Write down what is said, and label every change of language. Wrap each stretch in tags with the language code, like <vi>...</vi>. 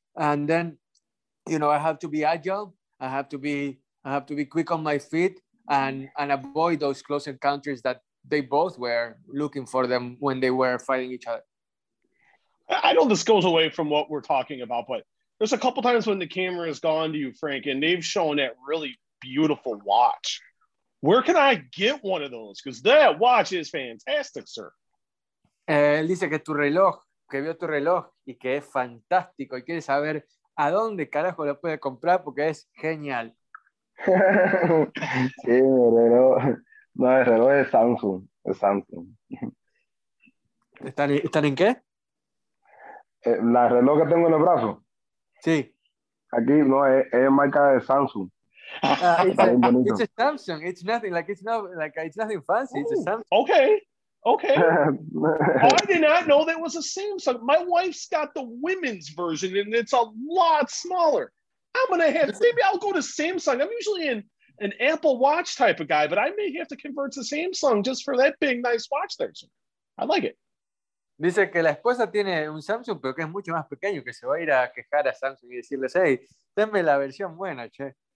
<en>And then, you know, I have to be agile. I have to be quick on my feet and avoid those close encounters that they both were looking for them when they were fighting each other. I know this goes away from what we're talking about, but there's a couple times when the camera has gone to you, Frank, and they've shown that really beautiful watch. Where can I get one of those? Because that watch is fantastic, sir.</en> <es>Dice que tu reloj. Que vio tu reloj y que es fantástico y quiere saber a dónde carajo lo puede comprar porque es genial. Sí, mi reloj. No, el reloj es Samsung. Es Samsung. ¿Están en qué? La reloj que tengo en el brazo. Sí. Aquí no, es marca de Samsung.</es> <en>It's a Samsung. It's nothing like it's nothing fancy. Ooh, it's a Samsung. Okay. Okay. Oh, I did not know that was a Samsung. My wife's got the women's version and it's a lot smaller. Maybe I'll go to Samsung. I'm usually an Apple Watch type of guy, but I may have to convert to Samsung just for that big, nice watch there. So, I like it.</en> <es>Dice que la esposa tiene un Samsung, pero que es mucho más pequeño, que se va a ir a quejar a Samsung y decirles, hey, denme la versión buena, che.</es>